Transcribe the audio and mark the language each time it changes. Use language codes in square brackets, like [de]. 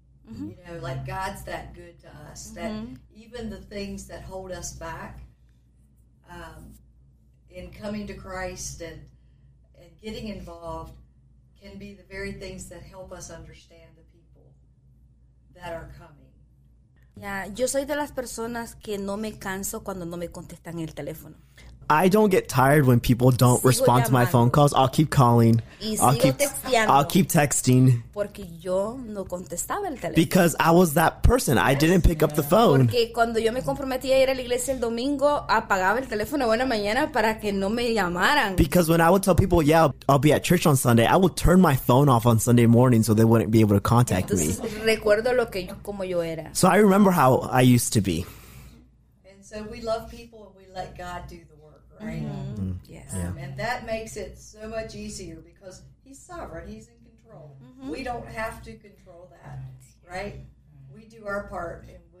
[en] Mm-hmm. You know, like, God's that good to us, mm-hmm. that even the things that hold us back in coming to Christ and getting involved can be the very things that help us understand the people that are coming. [es] Yeah, yo soy de las personas que no me canso cuando no me contestan el teléfono. [en] I don't get tired when people don't respond to my phone calls. I'll keep calling. I'll keep texting. [es] Porque yo no contestaba el teléfono. [en] Because I was that person. I didn't pick up the phone. [es] Porque cuando yo me comprometí a ir a la iglesia el domingo, apagaba el teléfono buena mañana para que no me llamaran. [en] Because when I would tell people, yeah, I'll be at church on Sunday, I would turn my phone off on Sunday morning so they wouldn't be able to contact me. [es] Entonces recuerdo lo que yo, como yo era. [en] So I remember how I used to be. And so we love people and we let God do the work. Right. Mm-hmm. Yes. Yeah. And that makes it so much easier because he's sovereign. He's in control. Mm-hmm. We don't have to control that, right? We do our part and